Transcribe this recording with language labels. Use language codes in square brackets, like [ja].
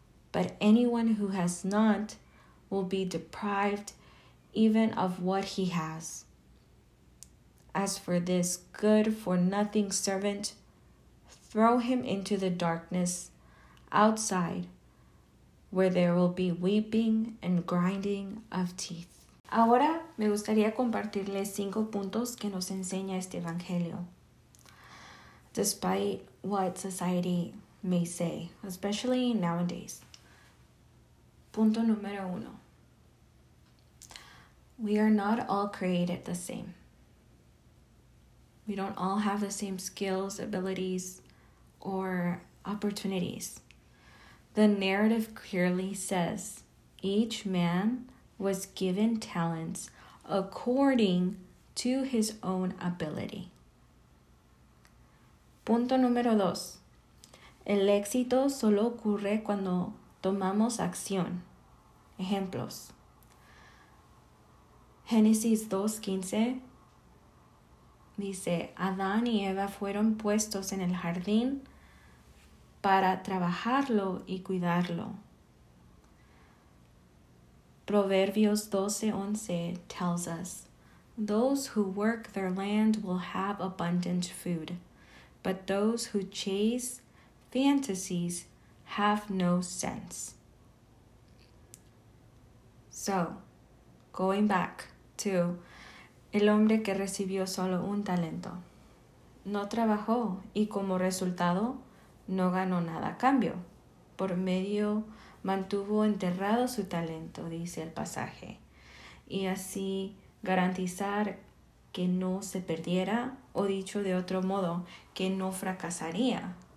[en] But anyone who has not will be deprived even of what he has. As for this good-for-nothing servant, throw him into the darkness outside, where there will be weeping and grinding of teeth." [es] Ahora me gustaría compartirles 5 puntos que nos enseña este evangelio. [en] Despite what society may say, especially nowadays. [es] Punto número 1. [en] We are not all created the same. We don't all have the same skills, abilities, or opportunities. The narrative clearly says each man was given talents according to his own ability. [es] Punto número 2. El éxito solo ocurre cuando tomamos acción. Ejemplos. Génesis 2:15 dice, Adán y Eva fueron puestos en el jardín para trabajarlo y cuidarlo. [en] Proverbios 12:11 tells us, those who work their land will have abundant food, but those who chase fantasies have no sense. So, going back to [es] el hombre que recibió solo un talento. No trabajó y como resultado no ganó nada a cambio. Por medio mantuvo enterrado su talento, dice el pasaje, y así garantizar que no se perdiera, o dicho de otro modo, que no fracasaría.